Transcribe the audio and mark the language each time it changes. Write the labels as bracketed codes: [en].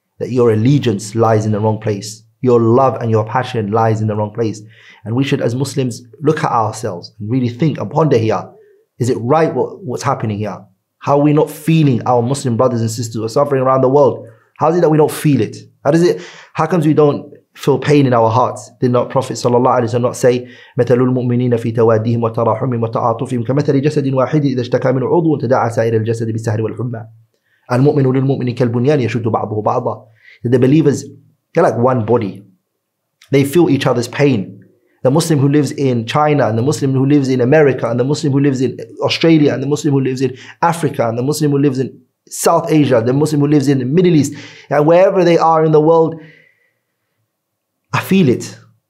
[en] That your allegiance lies in the wrong place. Your love and your passion lies in the wrong place. And we should, as Muslims, look at ourselves and really think and ponder here. Is it right what's happening here? How are we not feeling our Muslim brothers and sisters who are suffering around the world? How is it that we don't feel it? How comes we don't feel pain in our hearts? Did not Prophet sallallahu alaihi wasallam not say, [ar] مَثَلُ الْمُؤْمِنِينَ فِي تَوَادِّهِمْ وَتَرَاحُمِّمْ وَتَعَاطُفِهِمْ كَمَثَلِ جَسَدٍ وَاحِدٍ إِذَا اشْتَكَى مِنْ عُضُوٍ تَدَعَى سَائِرَ الْجَسَدِ بِالسَّهْرِ وَالْحُمَّى. الْمُؤْمِنُ لِلْمُؤْمِنِ كَالْبُنْيَانِ يَشُدُّ بَعْضُهُ بَعْضًا. [en] The believers, they're like one body. They feel each other's pain. The Muslim who lives in China and the Muslim who lives in America and the Muslim who lives in Australia and the Muslim who lives in Africa and the Muslim who lives in South Asia, the Muslim who lives in the Middle East and wherever they are in the world, I feel it.